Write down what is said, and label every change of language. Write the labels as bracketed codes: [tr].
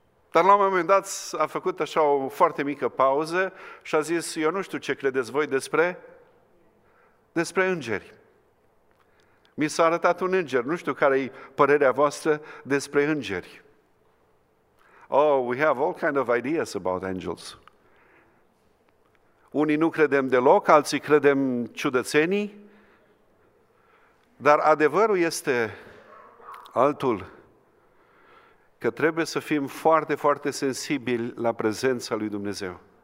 [ro] Dar la un moment dat a făcut așa o foarte mică pauză și a zis, eu nu știu ce credeți voi despre îngeri. Mi s-a arătat un înger, nu știu care e părerea voastră despre îngeri. [en] Oh, we have all kind of ideas about angels. [ro] Unii nu credem deloc, alții credem ciudățenii, dar adevărul este altul, că trebuie să fim foarte, foarte sensibili la prezența lui Dumnezeu.